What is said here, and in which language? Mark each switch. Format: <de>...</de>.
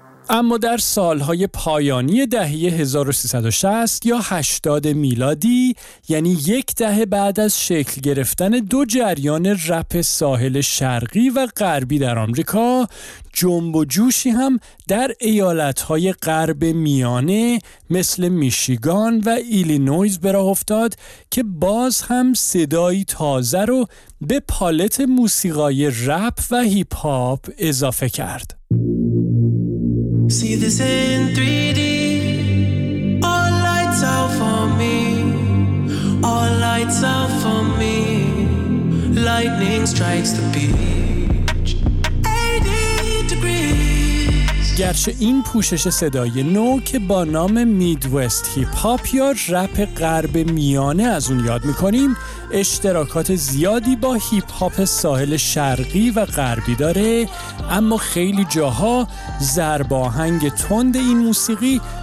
<fa>اما در سالهای پایانی دهه 1360 یا 80 میلادی، یعنی یک دهه بعد از شکل گرفتن دو جریان رپ ساحل شرقی و غربی در آمریکا، جنب و جوشی هم در ایالت‌های غرب میانه مثل میشیگان و ایلینویز به راه افتاد که باز هم صدایی تازه رو به پالت موسیقای رپ و هیپ هاپ اضافه کرد.</fa> <en>See this in 3D, all lights out for me, all lights out for me, lightning strikes the beach, 80 degrees.</en> <fa>گرچه این پوشش صدای نو که با نام میدوست هیپ هاپ یا رپ غرب میانه از اون یاد میکنیم، اشتراکات زیادی با هیپ هاپ ساحل شرقی و غربی داره، اما خیلی جاها ضرب آهنگ تند این موسیقی</fa>